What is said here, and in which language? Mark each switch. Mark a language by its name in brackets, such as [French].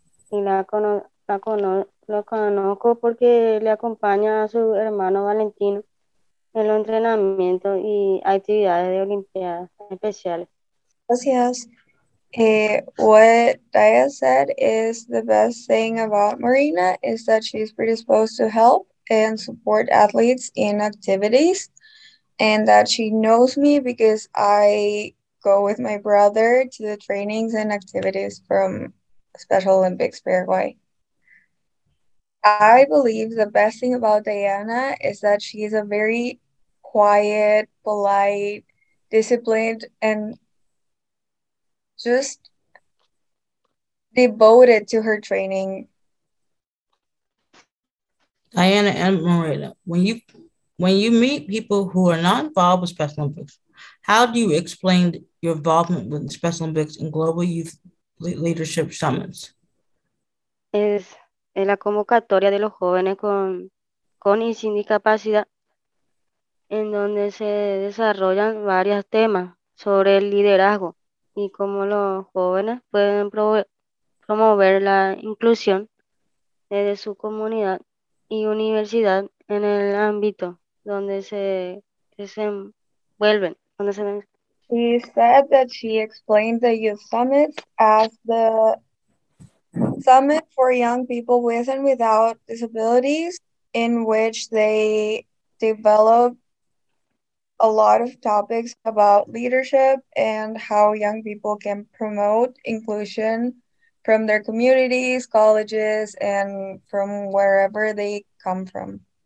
[Spanish] Y la conozco porque le acompaña a su hermano Valentino en los entrenamientos y actividades de Olimpiadas Especiales. Gracias. [English] What Daya said is the best thing about Marina is that she's predisposed to help and support athletes in activities, and that she knows me because I go with my brother to the trainings and activities from Special Olympics Paraguay. I believe the best thing about Diana is that she is a very quiet, polite, disciplined, and just devoted to her training. Diana and Marina, when you meet people who are not involved with Special Olympics, how do you explain your involvement with Special Olympics and Global Youth Leadership Summits? [Spanish] Es la convocatoria de los jóvenes con y sin discapacidad, en donde se desarrollan varios temas sobre el liderazgo y cómo los jóvenes pueden promover la inclusión desde su comunidad y universidad en el ámbito donde se desenvuelven. [English] She said that she explained the youth summits as the summit for young people with and without disabilities, in which they develop a lot of topics about leadership and how young people can promote inclusion from their communities, colleges, and from wherever they come from.